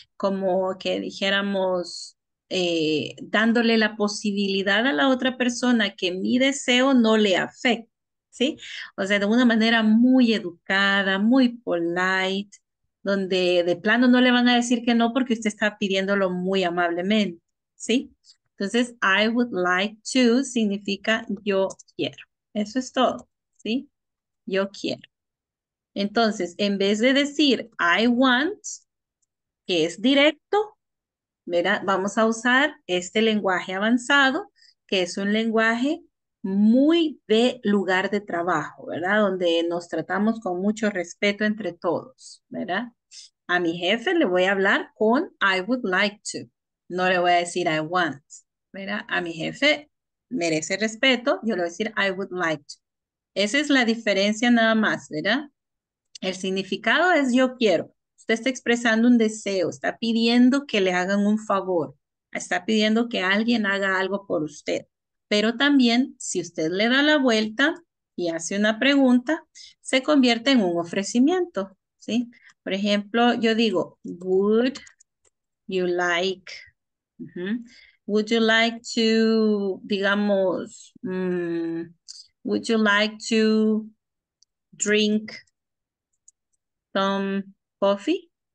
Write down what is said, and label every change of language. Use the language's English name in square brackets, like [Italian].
[Spanish] Como que dijéramos dándole la posibilidad a la otra persona que mi deseo no le afecte, ¿sí? O sea, de una manera muy educada, muy polite, donde de plano no le van a decir que no porque usted está pidiéndolo muy amablemente, ¿sí? Entonces, [English] I would like to [Spanish] significa yo quiero. Eso es todo, ¿sí? Yo quiero. Entonces, en vez de decir [English] I want, [Spanish] que es directo, ¿verdad? Vamos a usar este lenguaje avanzado, que es un lenguaje muy de lugar de trabajo, ¿verdad? Donde nos tratamos con mucho respeto entre todos, ¿verdad? A mi jefe le voy a hablar con [English] I would like to. [Spanish] No le voy a decir [English] I want. [Spanish] ¿Verdad? A mi jefe merece respeto, yo le voy a decir [English] I would like to. [Spanish] Esa es la diferencia nada más, ¿verdad? El significado es yo quiero. Usted está expresando un deseo, está pidiendo que le hagan un favor, está pidiendo que alguien haga algo por usted. Pero también, si usted le da la vuelta y hace una pregunta, se convierte en un ofrecimiento, ¿sí? Por ejemplo, yo digo, [English] would you like, would you like to, [Spanish] digamos, [English] would you like to drink some coffee?